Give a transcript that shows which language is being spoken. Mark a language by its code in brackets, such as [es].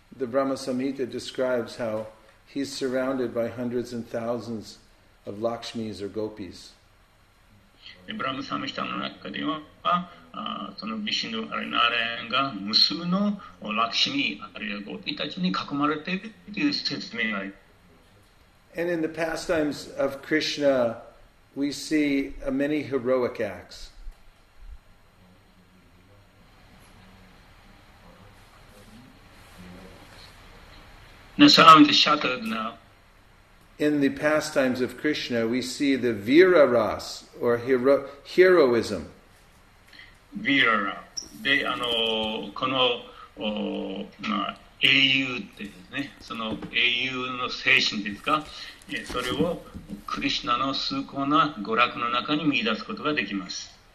[en] The Brahma Samhita describes how he's surrounded by hundreds and thousands of Lakshmis or Gopis. [ja] ブラムサムヒタの中ではそのビシヌアリナーレンが無数のラクシミあるいはゴピたちに囲まれているという説明があります。 [en] And in the pastimes of Krishna, we see many heroic acts. The sound is shattered now. In the pastimes of Krishna, we see the Vira Ras, or heroism. Vira Ras. [ja] で、あの、この、お、まあ、英雄ってね、その英雄の精神ですか、それをクリシナの崇高な娯楽の中に見出すことができます。